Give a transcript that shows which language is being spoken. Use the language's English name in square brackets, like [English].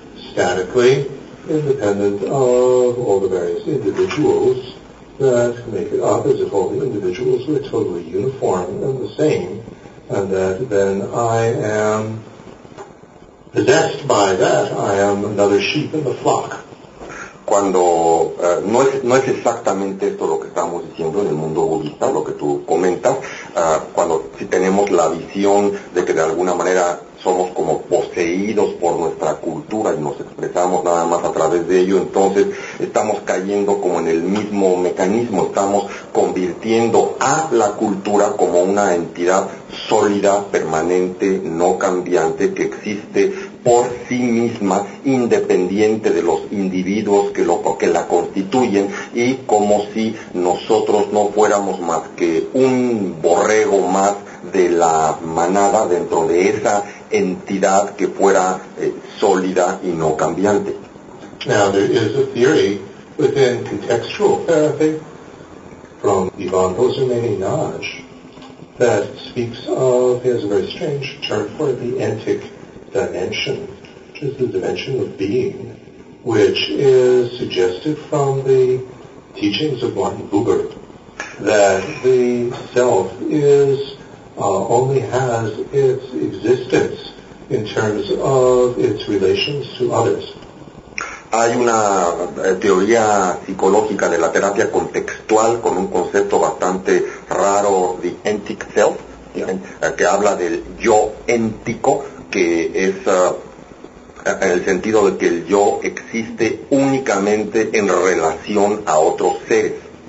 [English] statically, independent of all the various individuals that make it up, as if all the individuals were totally uniform and the same, and that then I am possessed by that, I am another sheep in the flock. [Spanish] Cuando no es exactamente esto lo que estamos diciendo en el mundo budista, lo que tú comentas, cuando si tenemos la visión de que de alguna manera somos como poseídos, poseídos por nuestra cultura y nos expresamos nada más a través de ello, entonces estamos cayendo como en el mismo mecanismo, estamos convirtiendo a la cultura como una entidad sólida, permanente, no cambiante, que existe por sí misma, independiente de los individuos que la constituyen, y como si nosotros no fuéramos más que un borrego más de la manada dentro de esa entidad que fuera sólida y no cambiante. [English] Now there is a theory within contextual therapy from Ivan Bozomeni-Naj that speaks of, he has a very strange term for it, the entic dimension, which is the dimension of being, which is suggested from the teachings of Martin Buber, that the self is only has its existence in terms of its relations to others. [Spanish] Hay una teoría psicológica de la terapia contextual con un concepto bastante raro, [English] the entic self, [Spanish] que habla del yo entico, que es en el sentido de que el yo existe únicamente en relación a otros seres.